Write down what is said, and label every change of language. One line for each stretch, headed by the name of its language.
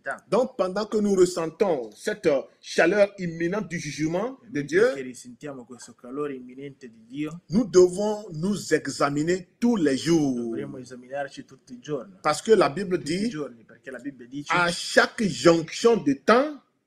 French: Donc pendant que nous ressentons cette chaleur imminente du jugement de Dieu,
Italian: sentiamo questo calore imminente di Dio,
French: nous devons nous examiner tous les jours.
Italian: Dovremmo esaminarci tutti i giorni.
French: Parce que la Bible
Italian: tutti
French: dit,
Italian: i giorni, perché la Bibbia dice,
French: à chaque jonction de temps,